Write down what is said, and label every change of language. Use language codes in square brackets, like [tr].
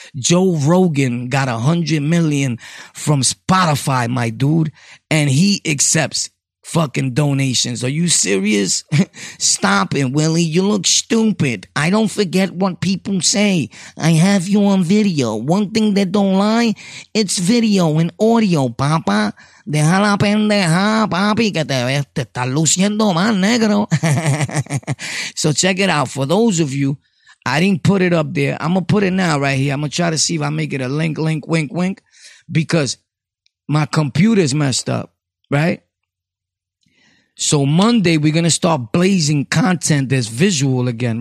[en] Joe Rogan got $100 million from Spotify, my dude, and he accepts fucking donations. Are you serious? Stop it, Willie. You look stupid. I don't forget what people say. I have you on video. One thing that don't lie, it's video and audio, papa. [es] Deja la pendeja, papi, que te ves, te estás luciendo más negro. [en] So check it out. For those of you, I didn't put it up there. I'm going to put it now right here. I'm going to try to see if I make it a link, link, wink, wink. Because my computer's messed up, right? So Monday, we're going to start blazing content that's visual again.